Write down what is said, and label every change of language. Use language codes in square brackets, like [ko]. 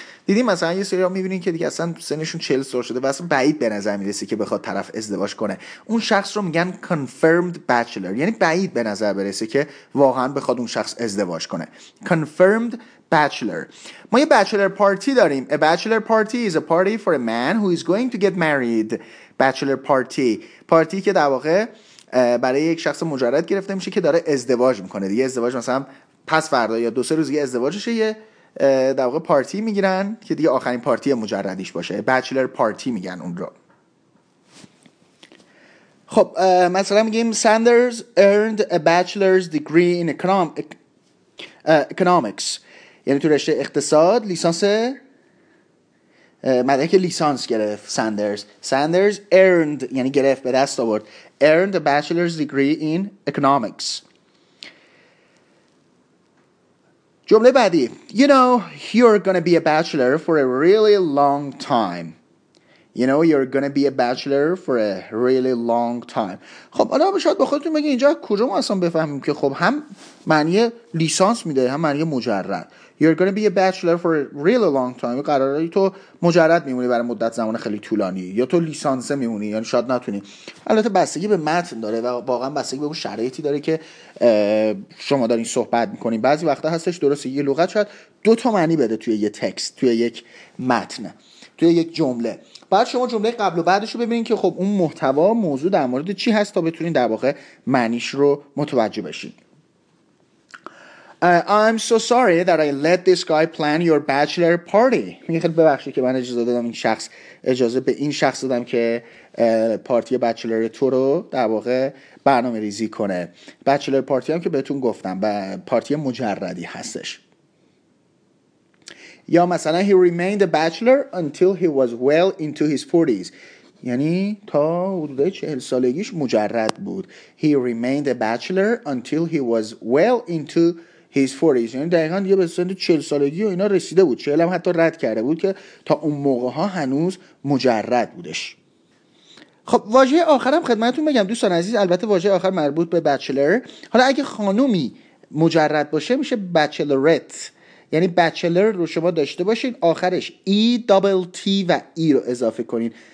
[fa] دیدیم مثلا یه سری ها میبینین که دیگه اصلا سنشون 40 سال شده و اصلا بعید به نظر میرسه که بخواد طرف ازدواج کنه، اون شخص رو میگن confirmed bachelor، یعنی بعید به نظر برسه که واقعا بخواد اون شخص ازدواج کنه. [en] confirmed bachelor. [fa] ما یه [en] bachelor party [fa] داریم. [en] a bachelor party is a party for a man who is going to get married. [fa] bachelor party، پارتی که در واقع برای یک شخص مجرد گرفته میشه که داره ازدواج میکنه دیگه، ازدواج مثلا پس فردا یا دو سه روز دیگه ازدواجشه، یه در واقع پارتی میگیرن که دیگه آخرین پارتی مجردیش باشه، bachelor party میگن اون رو. خب مثلا میگیم [en] Sanders earned a bachelor's degree in economics، [fa] یعنی تو رشته اقتصاد لیسانس، مدرک لیسانس گرفت Sanders. [en] Sanders earned [fa] یعنی گرفت، به دست آورد، [en] earned a bachelor's degree in economics. [fa] جمله بعدی، [en] you know you're gonna be a bachelor for a really long time. You know you're gonna be a bachelor for a really long time. [fa] خب حالا شاید با خودتون بگید اینجا کجا ما اصلا بفهمیم که خب هم معنی لیسانس میده هم معنی مجرد. [en] You're gonna be a bachelor for a really long time، [fa] قراره تو مجرد میمونی برای مدت زمان خیلی طولانی، یا تو لیسانسه میمونی، یعنی شاید نتونی. البته بستگی به متن داره و واقعا بستگی به اون شرایطی داره که شما دارین صحبت میکنین. بعضی وقتا هستش درسته یه لغت شاید دو تا معنی بده توی یه تکست، توی یک متن، توی یک جمله. بعد شما جمله قبل و بعدش رو ببینین که خب اون محتوا موضوع در مورد چی هست تا بتونین در واقع معنیش رو متوجه بشین. [en] I'm so sorry that I let this guy plan your bachelor party. [fa] میگه خیلی ببخشید که من اجازه دادم این شخص، اجازه به این شخص دادم که پارتی بچلر تو رو در واقع برنامه ریزی کنه. بچلر پارتی هم که بهتون گفتم و پارتی مجردی هستش. یا مثلا [en] he remained a bachelor until he was well into his 40s. [fa] یعنی تا حدوده 40 سالگیش مجرد بود. [en] He remained a bachelor until he was well into his 40s. [fa] یعنی دقیقا دیگه به سن 40 سالگی و اینا رسیده بود، 40 هم حتی رد کرده بود، که تا اون موقع ها هنوز مجرد بودش. خب واژه آخرم خدمتتون بگم دوستان عزیز، البته واژه آخر مربوط به بچلر، حالا اگه خانومی مجرد باشه میشه بچلرت، یعنی بچلر رو شما داشته باشین آخرش ای دابل تی و ای رو اضافه کنین،